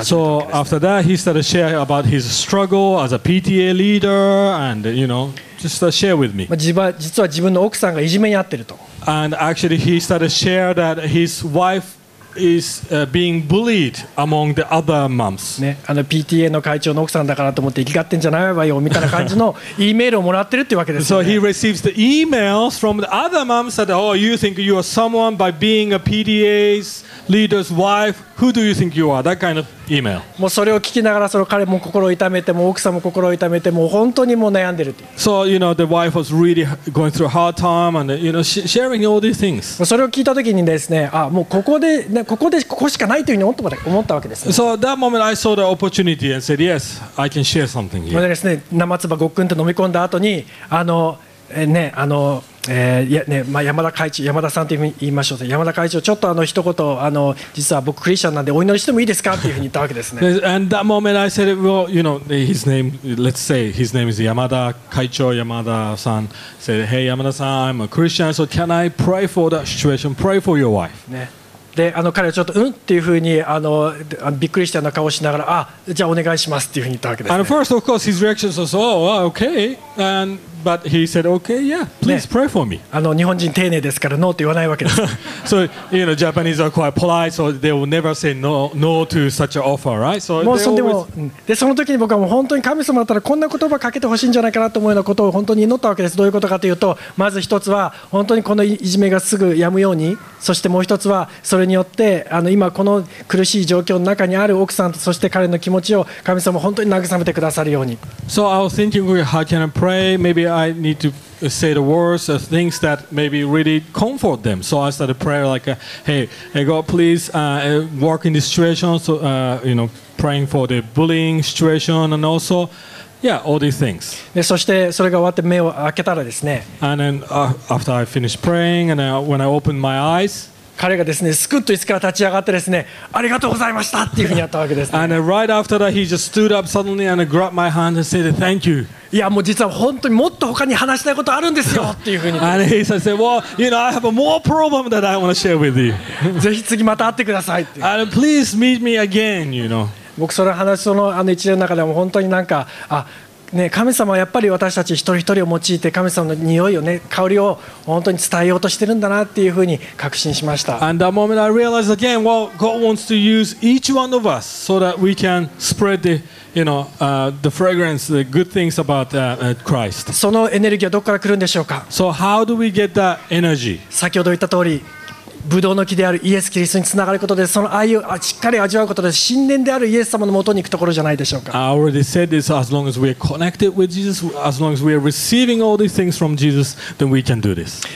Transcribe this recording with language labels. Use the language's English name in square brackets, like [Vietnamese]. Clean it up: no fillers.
[Japanese] って。 [English] So after that he started sharing about his struggle as a PTA leader and, you know, just share with me. [Japanese] 実は自分の奥さんがいじめにあってると。 [English] And actually he started share that his wifeIs being bullied among the other moms. [Japanese] ね、あの PTA の会長の奥さんだからと思って、怒ってんじゃないわよみたいな感じの E メールをもらってるっていうわけですよね。 [English] So he receives the emails from the other moms that, oh, you think you are someone by being a PTA's leader's wife. Who do you think you are? That kind of email. [Japanese] もうそれを聞きながら、その彼も心を痛めて、もう奥さんも心を痛めて、もう本当にもう悩んでるっていう。 [English] So you know the wife was really going through a hard time and, you know, sharing all these things. [Japanese] それを聞いた時にですね、あ、もうここでね、ここでここしかないというふうに思ったわけですね。 [English] So that moment I saw the opportunity and said, yes, I can share something here. [Japanese] でですね、生唾ごっくんと飲み込んだ後に、あの、ね、あの、ね、まあ、山田会長、山田さんというふうに言いましょうと、山田会長、ちょっとあの一言、あの、実は僕クリスチャンなんでお祈りしてもいいですかっていうふうに言ったわけですね。 [English] And that moment I said, well, you know, his name, let's say his name is 山田会長、山田さん、said, hey, 山田さん、I'm a Christian, so can I pray for that situation? Pray for your wife. ね。 [Japanese] で、あの彼はちょっとうんっていうふうに、あのびっくりしたような顔をしながら、あ、じゃあお願いしますっていうふうに言ったわけです、ね。 [English] And first, of course, his reaction was, oh, okay. And but he said, okay, yeah, please pray for me.、ね、 [Japanese] あの日本人丁寧ですから、ノーと言わないわけです。 [English] So you know, Japanese are quite polite, so they will never say no to such an offer, right? So [Japanese] もうそんでも、でその時に僕はもう本当に神様だったらこんな言葉かけてほしいんじゃないかなと思うようなことを本当に祈ったわけです。どういうことかというと、まず一つは本当にこのいじめがすぐ止むように、そしてもう一つはそれによって、あの今この苦しい状況の中にある奥さんと、そして彼の気持ちを神様本当に慰めてくださるように。 [English] So I was thinking, how can I pray? Maybe I need to say the words of things that maybe really comfort them. So I started praying like, hey God, please work in this situation. So, you know, praying for the bullying situation and also Yeah, all these things. [Japanese] で、そしてそれが終わって目を開けたらですね。 [English] And then after I finished praying and when I opened my eyes, [Japanese] 彼がですね、スクッと椅子から立ち上がってですね、ありがとうございましたっていうふうにやったわけです、ね。 [English] And right after that, he just stood up suddenly and grabbed my hand and said, "Thank you." [Japanese] いや、もう実は本当にもっと他に話したいことあるんですよっていうふうに。 [English] And he said, "Well, you know, I have a more problem that I want to share with you." [Japanese] ぜひ次また会ってくださいって。 [English] And please meet me again, you know. [Japanese] 僕その話その一連の中でも本当になんかあ、ね、神様はやっぱり私たち一人一人を用いて神様の匂いを、ね、香りを本当に伝えようとしてるんだなっていうふうに確信しました。 [English] And that moment I realized again, well, God wants to use each one of us so that we can spread the, you know, the fragrance, the good things about Christ. [Japanese] そのエネルギーはどこから来るんでしょうか。 [English] So how do we get that energy? [Japanese] 先ほど言った通りブドウの木であるイエス・キリストにつながることでその愛をしっかり味わうことで神殿であるイエス様のもとに行くところじゃないでしょうか。 [English] I already said this, as long as we are connected with Jesus, as long as we are receiving all these things from Jesus, then we can do this.